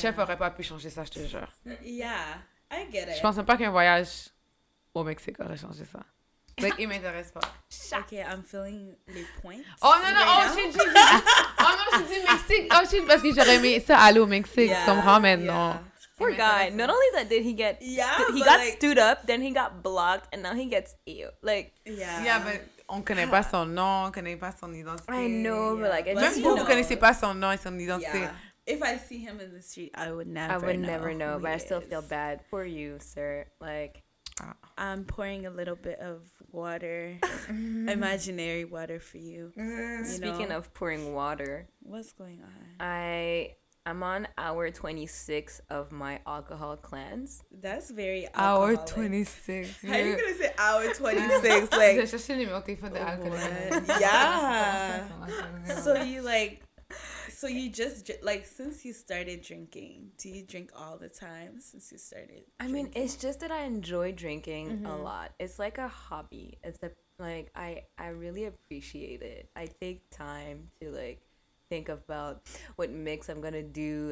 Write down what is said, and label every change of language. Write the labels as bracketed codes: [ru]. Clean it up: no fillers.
[fr] chef aurait pas pu changer ça, je te jure. [en] Yeah. I get it. [fr] Je pense même pas qu'un voyage au Mexique aurait changé ça. Like, il m'intéresse pas. [en] OK, I'm feeling [fr] les points. Oh non, non, oh, j'ai dit... Oh non, j'ai dit Mexique. Oh, j'ai dit parce que j'aurais aimé ça aller au Mexique. Yeah, comprends maintenant. Yeah. [en] Poor guy. Pas. Not only that did he get... Yeah, he got like, stood up, then he got blocked, and now he gets ew. Like... Yeah, yeah, but... [fr] On connaît pas son nom, on connaît pas son identité. [en] I know, yeah. but like... [fr] Même vous, vous connaissez pas son nom et son identité. [en] Yeah. If I see him in the street, I would never know. But I still feel bad for you, sir. Like, I'm pouring a little bit of water, imaginary water for you. Speaking of pouring water, what's going on? I'm on hour 26 of my alcohol cleanse. That's very hour alcoholic. 26. How are you gonna say hour 26? Like, [fr] je cherche le numéro de téléphone de l'alcool. [en] Yeah. So you like. So you just, like, since you started drinking, do you drink all the time since you started drinking? I mean, it's just that I enjoy drinking mm-hmm. a lot. It's like a hobby. It's a, like, I really appreciate it. I take time to, like, think about what mix I'm going to do.